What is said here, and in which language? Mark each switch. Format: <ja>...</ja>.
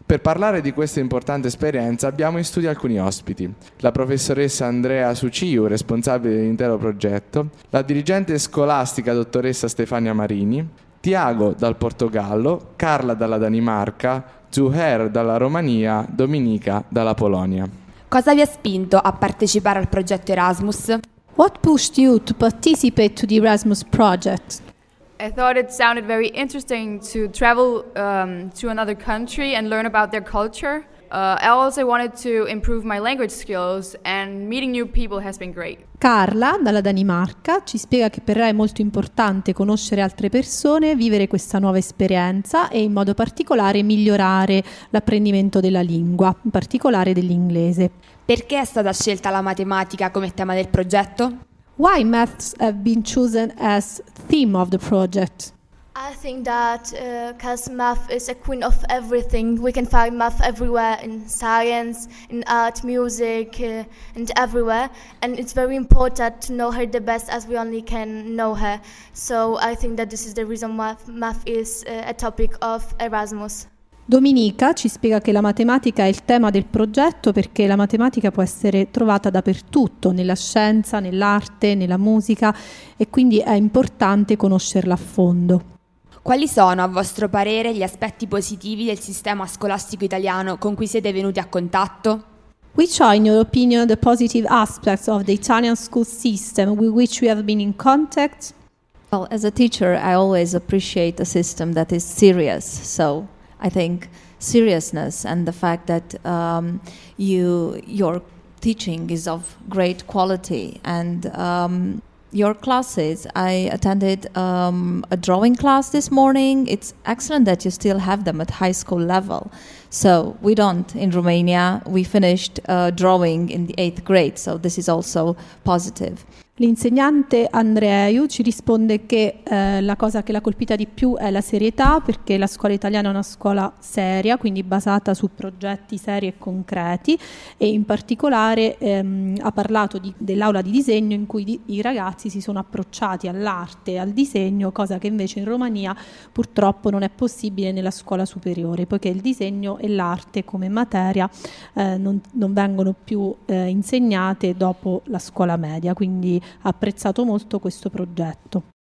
<it>Per parlare di questa importante esperienza abbiamo in studio alcuni ospiti: la professoressa Andrea Suciu, responsabile dell'intero progetto, la dirigente scolastica dottoressa Stefania Marini, Tiago dal Portogallo, Carla dalla Danimarca, Zuher dalla Romania, Dominica dalla Polonia. Cosa vi ha spinto a partecipare al progetto Erasmus?</it> <en>What pushed you to participate to the Erasmus project? I thought it sounded very interesting to travel to another country and learn about their culture. I also wanted to improve my language skills and meeting new people has been great.</en> <it>Carla, dalla Danimarca, ci spiega che per lei è molto importante conoscere altre persone, vivere questa nuova esperienza e in modo particolare migliorare l'apprendimento della lingua, in particolare dell'inglese. Perché è stata scelta la matematica come tema del progetto?</it> <en>Why maths have been chosen as theme of the project? I think that because math is a queen of everything, we can find math everywhere in science, in art, music, and everywhere. And it's very important to know her the best as we only can know her. So I think that this is the reason why math is a topic of Erasmus.</en> <it>Dominica ci spiega che la matematica è il tema del progetto perché la matematica può essere trovata dappertutto, nella scienza, nell'arte, nella musica, e quindi è importante conoscerla a fondo. Quali sono, a vostro parere, gli aspetti positivi del sistema scolastico italiano con cui siete venuti a contatto?</it> <en>Which are, in your opinion, the positive aspects of the Italian school system with which we have been in contact? Well, as a teacher, I always appreciate a system that is serious. So, I think seriousness and the fact that your teaching is of great quality and your classes, I attended a drawing class this morning. It's excellent that you still have them at high school level. So we don't in Romania. We finished drawing in the eighth grade, so this is also positive.</en> <it>L'insegnante Andreu ci risponde che la cosa che l'ha colpita di più è la serietà, perché la scuola italiana è una scuola seria, quindi basata su progetti seri e concreti, e in particolare ha parlato dell'aula di disegno in cui i ragazzi si sono approcciati all'arte, al disegno, cosa che invece in Romania purtroppo non è possibile nella scuola superiore, poiché il disegno e l'arte come materia non vengono più insegnate dopo la scuola media, quindi ha apprezzato molto questo progetto.</it>